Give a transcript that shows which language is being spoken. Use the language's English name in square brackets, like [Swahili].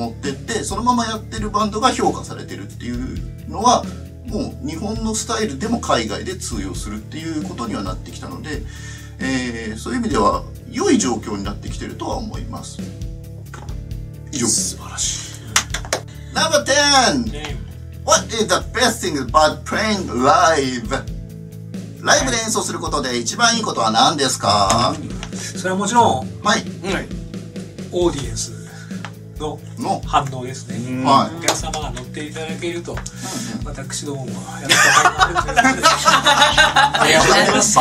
[Japanese] 持ってってそのままやってるバンドが評価されてるっていうのはもう日本のスタイルでも海外で通用するっていうことにはなってきたので、そういう意味では良い状況になってきてるとは思います。以上。素晴らしい。 [English] Number 10! What is the best thing about playing live? [Japanese] ライブで演奏することで一番いいことは何ですか？それはもちろん、はい、オーディエンスの反応ですね、はい、お客様が乗っていただけると、はい、私どもはやっぱりありがとうございます。